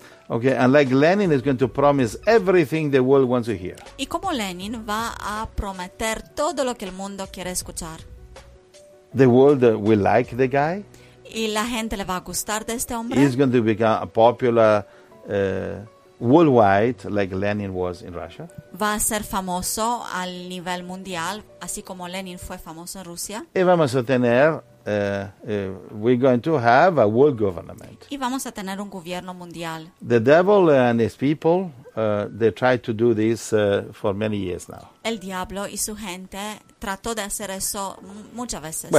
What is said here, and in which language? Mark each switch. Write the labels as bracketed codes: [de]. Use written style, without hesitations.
[en] Okay, and like Lenin is going to promise everything the world wants to hear. [es] Y como Lenin va a prometer todo lo que el mundo quiere escuchar. [en] The world will like the guy. [es] Y la gente le va a gustar de este hombre. [en] He's going to become a popular worldwide, like Lenin was in Russia. [es] Va a ser famoso a nivel mundial, así como Lenin fue famoso en Rusia. Y vamos a tener, [en] we're going to have a world government. [es] Y vamos a tener un gobierno mundial. [en] The devil and his people, they tried to do this for many years now. [es] El diablo y su gente trató de hacer eso muchas veces.